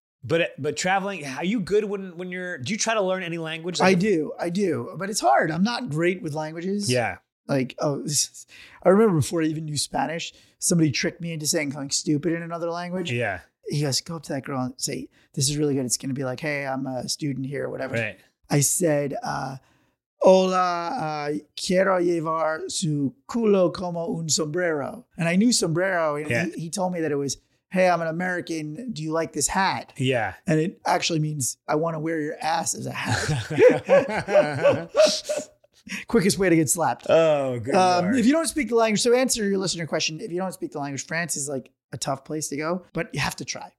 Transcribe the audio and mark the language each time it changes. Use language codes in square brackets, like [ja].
[en] But traveling, are you good when you're, do you try to learn any language? Like I do. But it's hard. I'm not great with languages. Yeah. Like, I remember before I even knew Spanish, somebody tricked me into saying something stupid in another language. Yeah. He goes, go up to that girl and say, this is really good. It's going to be like, hey, I'm a student here or whatever. Right. [es] I said, hola, quiero llevar su culo como un sombrero. [en] And I knew sombrero. And yeah. He told me that it was, hey, I'm an American. Do you like this hat? Yeah. And it actually means I want to wear your ass as a hat. Quickest way to get slapped. Oh, good. If you don't speak the language, so answer your listener question. If you don't speak the language, France is like a tough place to go, but you have to try.